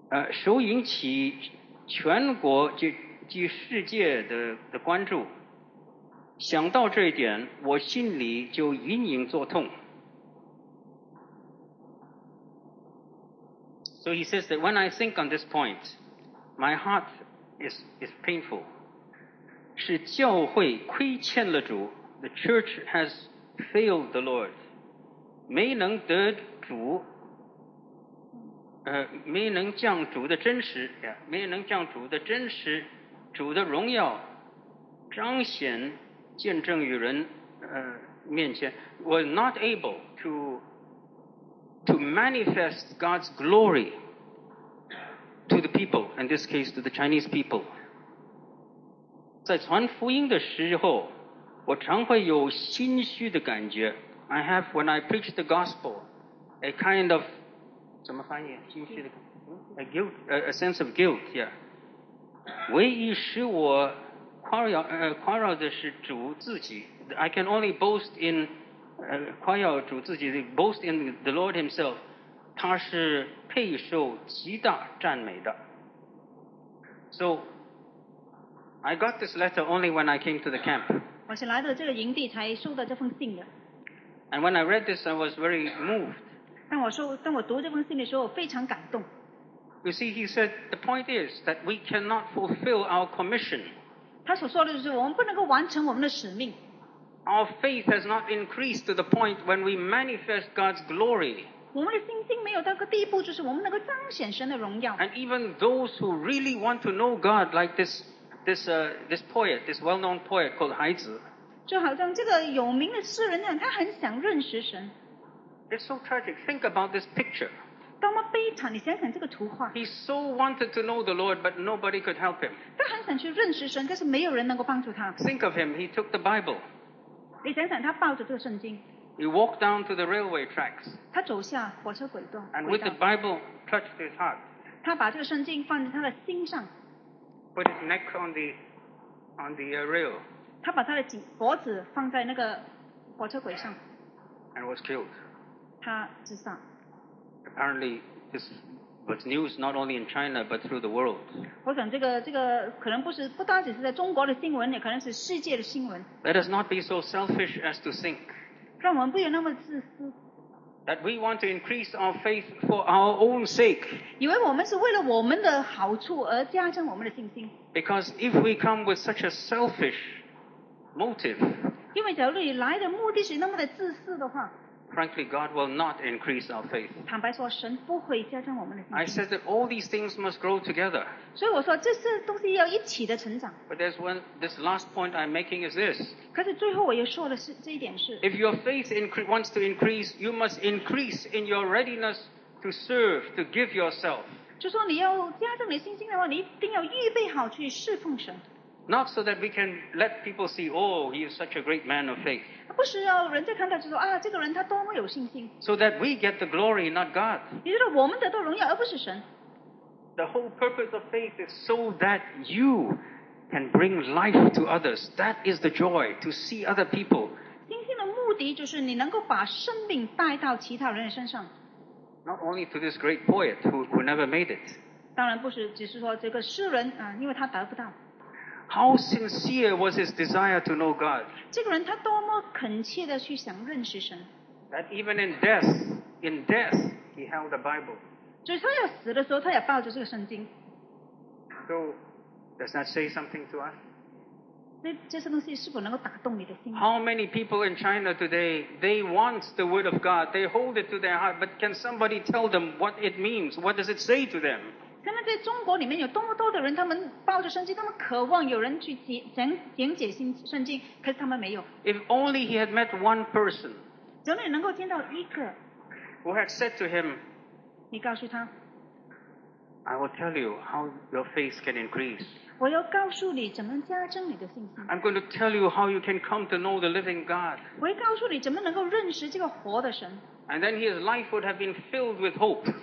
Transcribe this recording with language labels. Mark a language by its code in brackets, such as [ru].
[zh] 首引起全国及世界的关注想到这一点，我心里就隐隐作痛。 [en] So he says that when I think on this point, my heart is painful. [zh] 是教会亏欠了主， [en] the church has failed the Lord. [zh] 没能将主的真实，主的荣耀彰显见证于人面前。 [en] We're not able to manifest God's glory to the people, in this case to the Chinese people. [zh] 在传福音的时候，我常会有心虚的感觉。 [en] I have, when I preach the gospel, a kind of, [zh] 怎么翻译？心虚的感觉。 [en] A sense of guilt, yeah. [zh] 唯一使我夸耀的是主自己。 [en] I can only boast in, [zh] 夸耀主自己 [en] boast in the Lord himself, [zh] 他是配受极大赞美的。 [en] So, I got this letter only when I came to the camp. [zh] 我是来到这个营地才收到这封信的。 [en] And when I read this, I was very moved. [zh] 当我读这封信的时候，非常感动。 [en] You see, he said, the point is that we cannot fulfill our commission. [zh] 他所说的就是我们不能够完成我们的使命。 [en] Our faith has not increased to the point when we manifest God's glory. [zh] 我们的信心没有到个地步，就是我们能够彰显神的荣耀。 [en] And even those who really want to know God, like this poet, this well-known poet called 孩子， [zh] 就好像这个有名的诗人一样，他很想认识神。 [en] It's so tragic. Think about this picture. [zh] 多么悲惨！你想想这个图画。 [en] He so wanted to know the Lord, but nobody could help him. [zh] 他很想去认识神，但是没有人能够帮助他。 [en] Think of him. He took the Bible. [zh] 你想想，他抱着这个圣经。 [en] He walked down to the railway tracks. [zh] 他走下火车轨道。 [en] And with the Bible touched his heart. [zh] 他把这个圣经放在他的心上。 [en] Put his neck on the rail. [zh] 他把他的脖子放在那个火车轨上。 [en] And was killed. [zh] 他自杀。 [en] Apparently, this was news not only in China but through the world. [zh] 我想这个可能不单只是在中国的新闻，也可能是世界的新闻。 [en] Let us not be so selfish as to think. [zh] 让我们不要那么自私。 [en] That we want to increase our faith for our own sake. [zh] 以为我们是为了我们的好处而加强我们的信心。 [en] Because if we come with such a selfish motive. [zh] 因为假如你来的目的是那么的自私的话。 [en] Frankly, God will not increase our faith. [zh] 坦白说，神不会加增我们的信心。 [en] I said that all these things must grow together. [zh] 所以我说，这些东西要一起的成长。 [en] But there's one, this last point I'm making is this. [zh] 可是最后我又说的是这一点是。 [en] If your faith wants to increase, you must increase in your readiness to serve, to give yourself. [zh] 就说你要加增你信心的话，你一定要预备好去侍奉神。 [en] Not so that we can let people see, oh, he is such a great man of faith. [zh] 不需要人家看到就说啊，这个人他多么有信心。 [en] So that we get the glory, not God. [zh] 也就是我们得到荣耀，而不是神。 [en] The whole purpose of faith is so that you can bring life to others. That is the joy to see other people. [zh] 信心的目的就是你能够把生命带到其他人的身上。 [en] Not only to this great poet who never made it. [zh] 当然不是，只是说这个诗人啊，因为他得不到。 [en] How sincere was his desire to know God? [zh] 这个人他多么恳切地去想认识神。 [en] That even in death, he held the Bible. [zh] 就是他要死的时候，他也抱着这个圣经。 [en] So, does that say something to us? [zh] 那这些东西是否能够打动你的心？ [en] How many people in China today, they want the word of God, they hold it to their heart, but can somebody tell them what it means? What does it say to them? [zh] 现在在中国里面有多么多的人，他们抱着圣经，他们渴望有人去讲解圣经，可是他们没有。 [en] If only he had met one person. [zh] 只要你能够见到一个。 [en] Who had said to him. [zh] 你告诉他。 [en] I will tell you how your faith can increase. [zh] 我要告诉你怎么加增你的信心。 [en] I'm going to tell you how you can come to know the living God. [zh] 我要告诉你怎么能够认识这个活的神。 [en] And then his life would have been filled with hope.